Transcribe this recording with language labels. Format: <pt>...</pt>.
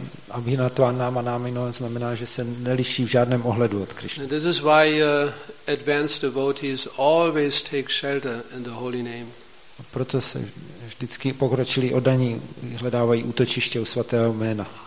<cs>Abhinatva namanamino znamená, že se neliší v žádném ohledu od Krishna.</cs> <en>This is why advanced devotees always take shelter in the holy name.</en> <cs>A proto se vždycky pokročilí oddaní hledávají útočiště u svatého jména.</cs>